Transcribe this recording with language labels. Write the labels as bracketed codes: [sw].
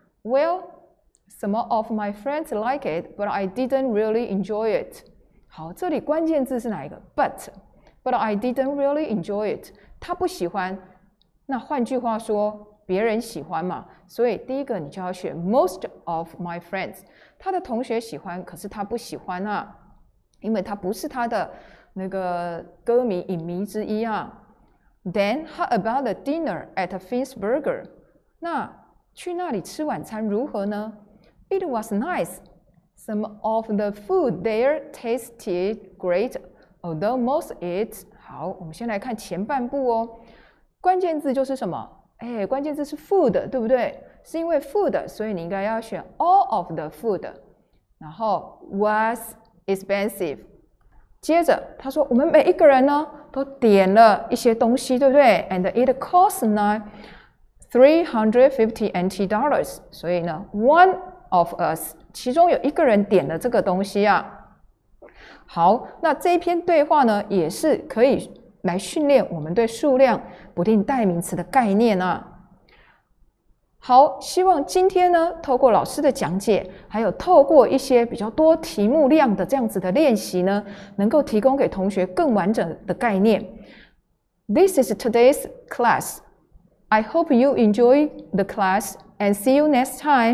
[en] Well, some of my friends like it, but I didn't really enjoy it. [zh] 好，这里关键字是哪一个？ [en] But I didn't really enjoy it. [zh] 他不喜欢，那换句话说别人喜欢嘛，所以第一个你就要选 [en] most of my friends， [zh] 他的同学喜欢，可是他不喜欢啊，因为他不是他的那个歌迷影迷之一啊。 [en] Then how about the dinner at Finn's Burger？ [zh] 那去那里吃晚餐如何呢？ [en] It was nice. Some of the food there tasted great, although most it。 [zh] 好，我们先来看前半部哦，关键字就是什么？关键字是 food， 对不对？是因为 food， 所以你应该要选 [en] all of the food。然后 was expensive。 [zh] 接着他说我们每一个人呢都点了一些东西，对不对？ [en] and it costs $350 NT， [zh] 所以呢 [en] one of us [zh] 其中有一个人点了这个东西啊。好，那这一篇对话呢，也是可以来训练我们对数量不定代名词的概念啊。好，希望今天呢，透过老师的讲解，还有透过一些比较多题目量的这样子的练习呢，能够提供给同学更完整的概念。 [en] This is today's class. I hope you enjoy the class and see you next time.